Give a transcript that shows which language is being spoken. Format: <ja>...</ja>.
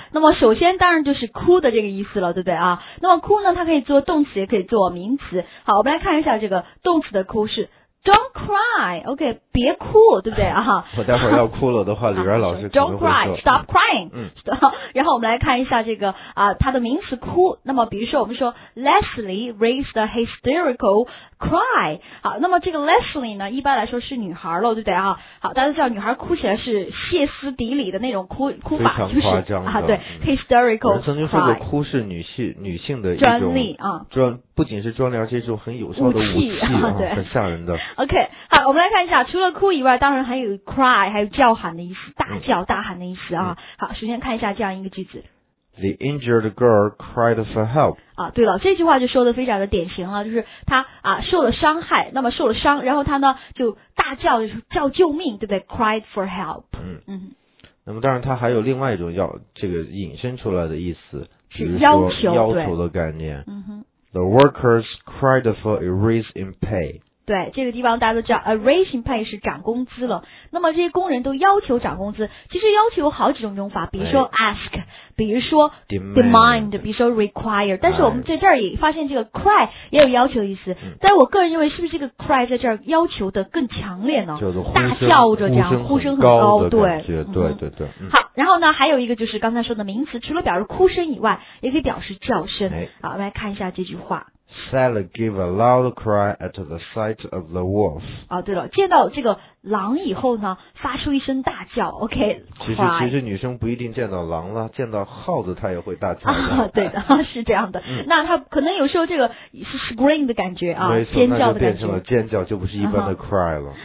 <zh>那么首先当然就是哭的这个意思了，对不对啊？那么哭呢，它可以做动词，也可以做名词。好，我们来看一下这个动词的哭是</zh> <en>don't cry，</en> <zh>OK， 别哭，对不对啊？我待会儿要哭了的话，李元老师可能会说</zh> <en>don't cry， stop crying。嗯，</en> <zh>然后我们来看一下这个啊，它的名词哭。那么比如说我们说</zh> <en>Leslie raised a hysterical cry。</en> <zh>好，那么这个 Leslie 呢，一般来说是女孩了，对不对啊？好，大家都知道女孩哭起来是歇斯底里的那种哭法，非常夸张的、就是、啊，对 ，hysterical。我曾经说过，哭是女性的一种专利啊，不仅是专利，而且是一种很有效的武器啊，对，很吓人的。 OK， 好，我们来看一下，除了哭以外，当然还有 cry， 还有叫喊的意思，大叫、嗯、大喊的意思啊。好，首先看一下这样一个句子。</zh> <en>The injured girl cried for help.</en> <zh>啊，对了，这句话就说的非常的典型了，就是她啊受了伤害，那么受了伤，然后她呢就大叫，就是叫救命，对不对 ？</zh> <en>Cried for help.</en> <zh>嗯，那么当然，它还有另外一种要这个引申出来的意思，是要求要求的概念。嗯哼</zh> <en>，The workers cried for a raise in pay.</en> <zh>对，这个地方大家都知道</zh> <en>a raising pay</en> <zh>是涨工资了，那么这些工人都要求涨工资，其实要求有好几种用法，比如说 ask、哎、比如说 demand 比如说 require、哎、但是我们在这儿也发现这个 cry 也有要求的意思、嗯、但是我个人认为是不是这个 cry 在这儿要求的更强烈呢，就是大叫着这样呼声很高的感觉，嗯、对对对、嗯、好，然后呢还有一个就是刚才说的名词，除了表示哭声以外也可以表示叫声、哎、好，我们来看一下这句话，</zh> <en>Sally gave a loud cry at the sight of the wolf.</en> <zh>啊，对了，见到这个狼以后呢，发出一声大叫。 OK，其实女生不一定见到狼了，见到耗子她也会大叫的。啊，对的，是这样的。嗯、那她可能有时候这个是 scream 的感觉啊，尖叫的感觉。那就变成了尖叫，就不是一般的 cry 了。</zh>